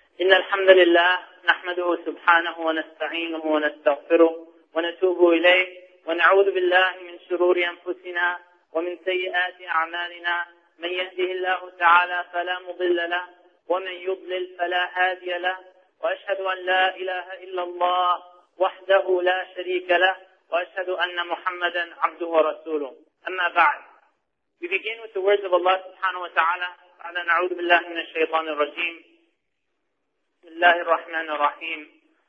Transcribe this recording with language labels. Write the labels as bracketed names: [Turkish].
[Arabic] إن الحمد لله نحمده سبحانه ونستعينه ونستغفره ونتوب إليه ونعوذ بالله من شرور أنفسنا ومن سيئات أعمالنا، من يهده الله تعالى فلا مضل له ومن يضلل فلا هادي له، وأشهد أن لا إله إلا الله وحده لا شريك له، وأشهد أن محمدا عبده ورسوله. أما بعد، [English] we begin with the words of Allah سبحانه وتعالى. [Arabic] بعد نعوذ بالله من الشيطان الرجيم. بسم الله الرحمن الرحيم.